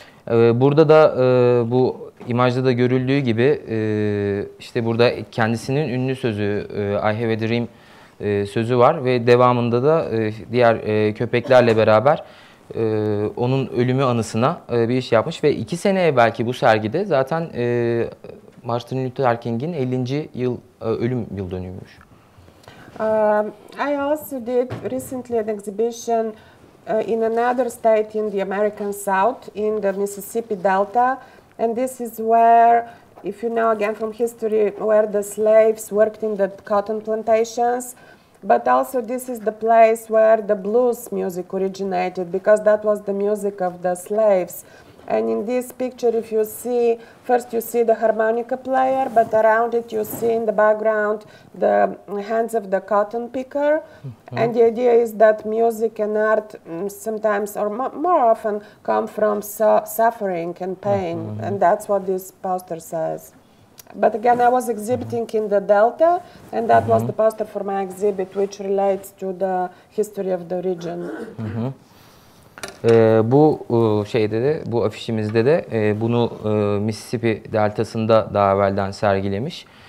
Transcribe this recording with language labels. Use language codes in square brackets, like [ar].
[tr] Burada da bu imajda da görüldüğü gibi işte burada kendisinin ünlü sözü [en] I have a dream [tr] sözü var ve devamında da diğer köpeklerle beraber onun ölümü anısına bir iş yapmış ve 2 sene belki bu sergide zaten Martin Luther King'in 50. yıl ölüm yıl dönümüymüş. [en] I also did recently an exhibition in another state in the American South in the Mississippi Delta, and this is where, if you know again from history, where the slaves worked in the cotton plantations. But also this is the place where the blues music originated, because that was the music of the slaves. And in this picture, if you see, first you see the harmonica player, but around it you see in the background the hands of the cotton picker. Mm-hmm. And the idea is that music and art sometimes, or more often, come from suffering and pain. Mm-hmm. And that's what this poster says. But again, I was exhibiting in the Delta, and that mm-hmm. was the poster for my exhibit, which relates to the history of the region. Mm-hmm. [tr] Bu şeyde de, bu afişimizde de bunu Mississippi Deltası'nda daha evvelden sergilemiş.